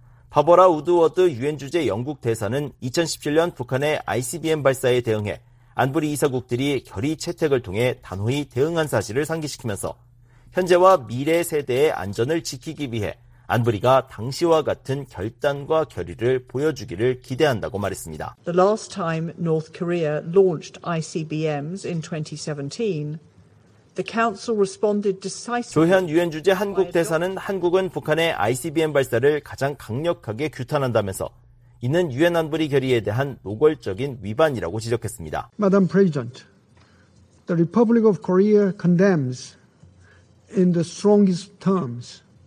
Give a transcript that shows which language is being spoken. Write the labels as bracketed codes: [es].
[ko] 바버라 우드워드 유엔 주재 영국 대사는 2017년 북한의 ICBM 발사에 대응해 안보리 이사국들이 결의 채택을 통해 단호히 대응한 사실을 상기시키면서 현재와 미래 세대의 안전을 지키기 위해 안보리가 당시와 같은 결단과 결의를 보여주기를 기대한다고 말했습니다. [en] The last time North Korea launched ICBMs in 2017, the council responded decisively. [ko] 조현 유엔 주재 한국 대사는 한국은 북한의 ICBM 발사를 가장 강력하게 규탄한다면서 이는 유엔 안보리 결의에 대한 노골적인 위반이라고 지적했습니다. [en] Madam President, the Republic of Korea condemns in the strongest terms